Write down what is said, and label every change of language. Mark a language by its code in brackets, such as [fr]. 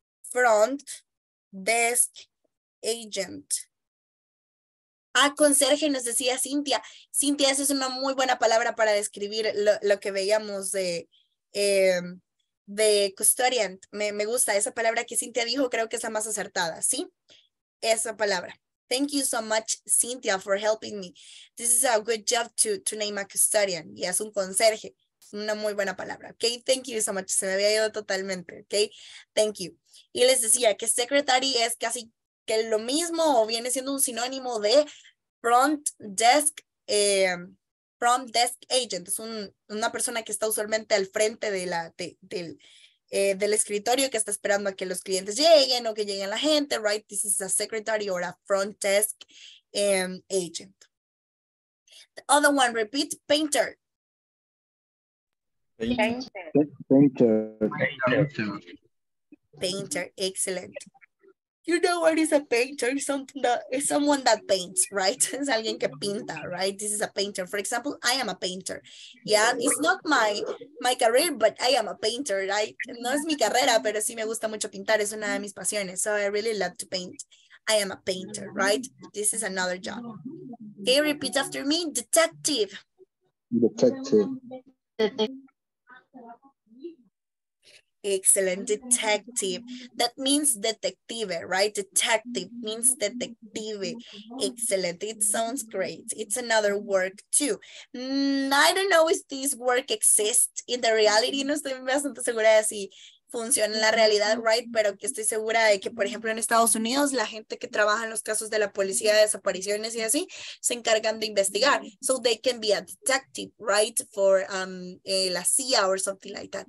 [en] Front desk agent. [es] Ah, conserje, nos decía Cintia. Cintia, esa es una muy buena palabra para describir lo que veíamos de custodian. Me gusta esa palabra que Cintia dijo, creo que es la más acertada, ¿sí? Esa palabra. [en] Thank you so much, Cintia, for helping me. This is a good job to name a custodian. [es] Y es un conserje. Una muy buena palabra, ¿ok? [en] Thank you so much. [es] Se me había ido totalmente, ¿ok? [en] Thank you. [es] Y les decía que secretary es casi que lo mismo o viene siendo un sinónimo de front desk front desk agent, es una persona que está usualmente al frente de del escritorio, que está esperando a que los clientes lleguen o que lleguen la gente, right? [en] This is a secretary or a front desk agent. The other one, repeat, painter. Painter. Painter. Painter, excellent. You know what is a painter? Something that is someone that paints, right? [es] Es alguien que pinta, [en] right? This is a painter. For example, I am a painter. Yeah, it's not my career, but I am a painter, right? [es] No es mi carrera, pero sí me gusta mucho pintar. Es una de mis pasiones. [en] So I really love to paint. I am a painter, right? This is another job. Okay, repeat after me. Detective. Detective. Excellent, detective. That means detective, right? Detective means detective. Excellent, it sounds great. It's another work too. I don't know if this work exists in the reality. [es] No estoy bastante segura de si funciona en la realidad, right? Pero que estoy segura de que, por ejemplo, en Estados Unidos, la gente que trabaja en los casos de la policía de desapariciones y así, se encargan de investigar. [en] So they can be a detective, right? For la CIA or something like that.